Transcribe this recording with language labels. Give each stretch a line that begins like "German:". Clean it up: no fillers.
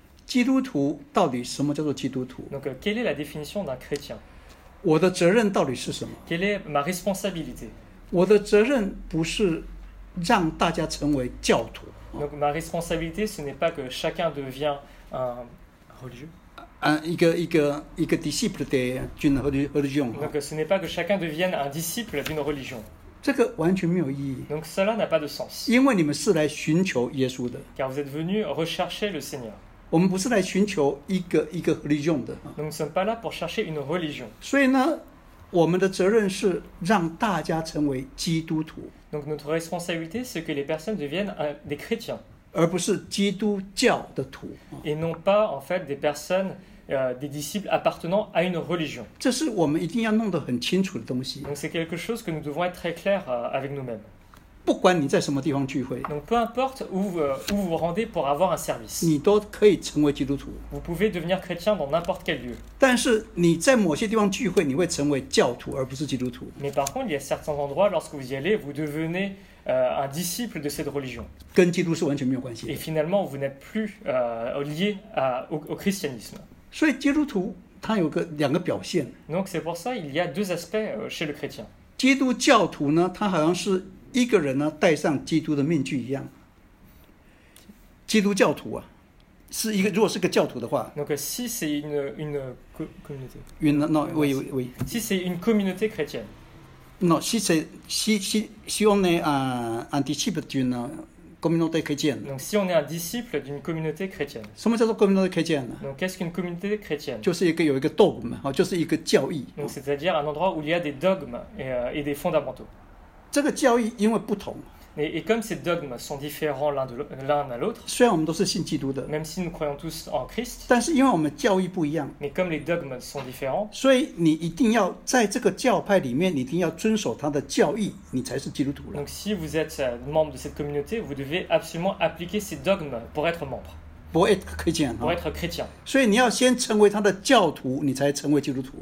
Chinese: 基督徒到底什么叫做基督徒
French: Donc, quelle est la définition d'un chrétien?
Chinese: 我的责任到底是什么
French: Quelle est ma responsabilité?
Chinese: 我的责任不是让大家成为教徒
French: Donc, ma responsabilité, ce n'est pas que chacun devient un religieux? 一个 disciple d'une religion. Donc ce n'est pas que chacun devienne un disciple d'une religion.
Chinese: 这个完全没有意义。
French: Donc cela n'a pas de sens.
Chinese: 因为你们是来寻求耶稣的。
French: Car vous êtes venus rechercher le Seigneur.
Chinese: 我们不是来寻求一个 religion 的。
French: Donc nous ne sommes pas là pour chercher une religion.
Chinese: 所以呢，我们的责任是让大家成为基督徒。
French: Donc notre responsabilité c'est que les personnes deviennent des chrétiens.
Chinese: 而不是基督教的徒
French: et non pas en fait des personnes, des disciples appartenant à une religion.
Chinese: 这是我们一定要弄得很清楚的东西
French: Donc c'est quelque chose que nous devons être très clair avec nous-mêmes.
Chinese: 不管你在什么地方聚会
French: Donc peu importe où vous rendez pour avoir un service.
Chinese: 你都可以成为基督徒
French: Vous pouvez devenir chrétien dans n'importe quel lieu.
Chinese: 但是你在某些地方聚会，你会成为教徒，而不是基督徒
French: Mais par contre, il y a certains endroits lorsque vous y allez, vous devenezun disciple de cette religion.
Chinese: 跟基督是完全没有关系的。
French: Et finalement, vous n'êtes plus lié au christianisme.
Chinese: 所以基督徒他有个两个表现。
French: Donc c'est pour ça il y a deux aspects chez le chrétien.
Chinese: 基督教徒呢，他好像是一个人呢戴上基督的面具一样。基督教徒啊，是一个如果是个教徒的话。
French: Donc si c'est une communauté. Une non oui oui oui. Si c'est une communauté chrétienne. Non, si on est un disciple d'une communauté chrétienne. Donc, si on est un disciple d'une communauté chrétienne.
Chinese: 什么叫做
French: communauté chrétienne? Donc, qu'est-ce qu'une communauté chrétienne?
Chinese: 就是一个有一个 dogme, 就是一个教义。
French: Donc, c'est-à-dire un endroit où il y a des dogmes et des fondamentaux.
Chinese: 这个教义因为不同。
French: Et comme ces dogmes sont différents l'un à l'autre,
Chinese: 虽然我们都是信基督的,
French: même si nous croyons tous en Christ,
Chinese: 但是因为我们教义不一样,
French: mais comme les dogmes sont différents,
Chinese: 所以你一定要在这个教派里面, 你一定要遵守他的教义, 你才是基督徒了。
French: Donc si vous êtes membre de cette communauté, vous devez absolument appliquer ces dogmes pour être membre. 不 être chrétien, 不 être chrétien.
Chinese: 所以你要先成为他的教徒，你才成为基督徒。